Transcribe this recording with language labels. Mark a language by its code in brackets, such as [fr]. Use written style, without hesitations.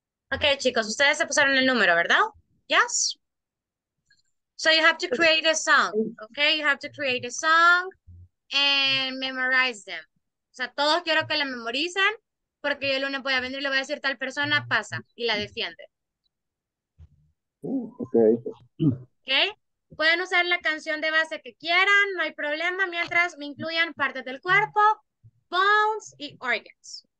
[es] Ok, chicos, ustedes se pusieron el número, ¿verdad? [en] Yes. So you have to create a song, ok? You have to create a song and memorize them. [es] O sea, todos quiero que la memoricen porque yo el lunes voy a venir y le voy a decir tal persona, pasa, y la defiende. [en] Okay. Ok. [es] Pueden usar la canción de base que quieran, no hay problema, mientras me incluyan partes del cuerpo, bones y organs.